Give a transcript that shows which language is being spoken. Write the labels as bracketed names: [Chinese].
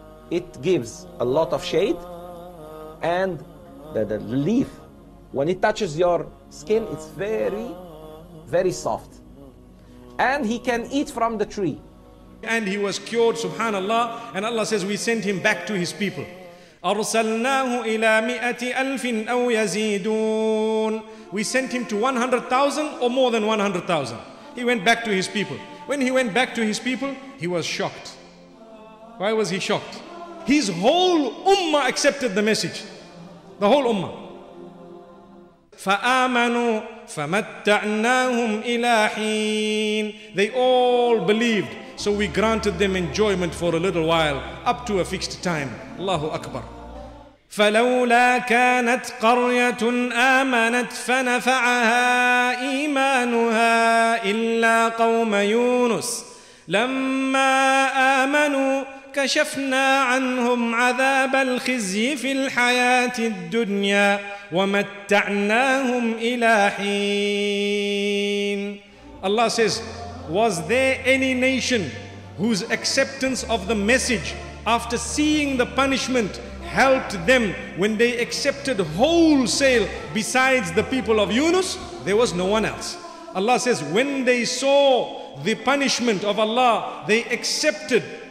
[English] It gives a lot of shade, and the leaf, when it touches your skin, it's very, very soft. And he can eat from the tree. And he was cured, subhanallah. And Allah says, we sent him back to his people. [Arabic] أرسلناه إلى مئة ألف أو يزيدون. [English] We sent him to 100,000 or more than 100,000. He went back to his people. When he went back to his people, he was shocked. Why was he shocked? His whole ummah accepted the message. The whole ummah. [Arabic] فآمنوا فمتعناهم إلى حين. [English] They all believed. So we granted them enjoyment for a little while, up to a fixed time. Allahu Akbar. [Arabic] فلولا كانت قرية آمنت فنفعها إيمانها إلا قوم يونس لما آمنوا كشفنا عنهم عذاب الخزي في الحياة الدنيا ومتعناهم إلى حين. [English] Allah says, was there any nation whose acceptance of the message after seeing the punishment helped them when they accepted wholesale besides the people of Yunus? There was no one else. Allah says, when they saw the punishment of Allah, they accepted.